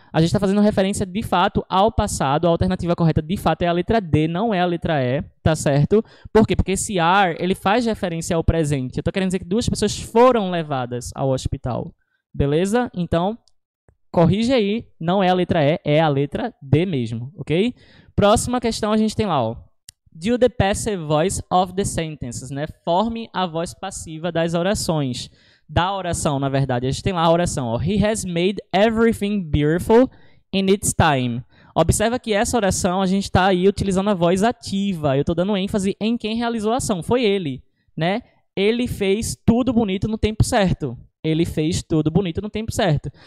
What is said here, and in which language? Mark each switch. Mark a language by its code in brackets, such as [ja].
[pt] A gente está fazendo referência, de fato, ao passado. A alternativa correta, de fato, é a letra D, não é a letra E, tá certo? Por quê? Porque esse are, ele faz referência ao presente. Eu estou querendo dizer que duas pessoas foram levadas ao hospital, beleza? Então, corrige aí, não é a letra E, é a letra D mesmo, ok? Próxima questão a gente tem lá, ó. [en] Do the passive voice of the sentences, né? [pt] Forme a voz passiva das orações. Da oração, na verdade. A gente tem lá a oração, ó. [en] He has made everything beautiful in its time. [pt] Observa que essa oração, a gente tá aí utilizando a voz ativa. Eu tô dando ênfase em quem realizou a ação. Foi ele, né? Ele fez tudo bonito no tempo certo. Ele fez tudo bonito no tempo certo.